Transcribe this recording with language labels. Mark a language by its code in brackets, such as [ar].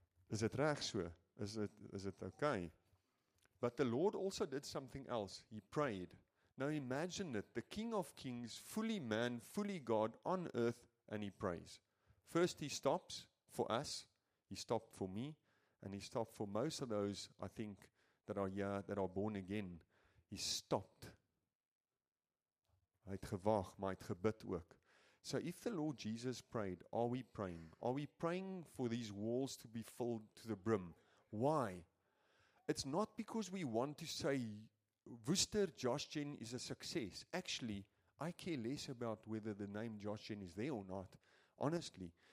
[en] Is it reg so? Is it okay? But the Lord also did something else. He prayed. Now imagine it. The King of Kings, fully man, fully God on earth, and he prays. First he stops for us. He stopped for me. And he stopped for most of those, I think, that are here, that are born again. He stopped. [af] Hy het gewag, maar hy het gebid ook. [en] So if the Lord Jesus prayed, are we praying? Are we praying for these walls to be filled to the brim? Why? It's not because we want to say, Wooster Josh Jen is a success. Actually, I care less about whether the name Josh Jen is there or not. Honestly,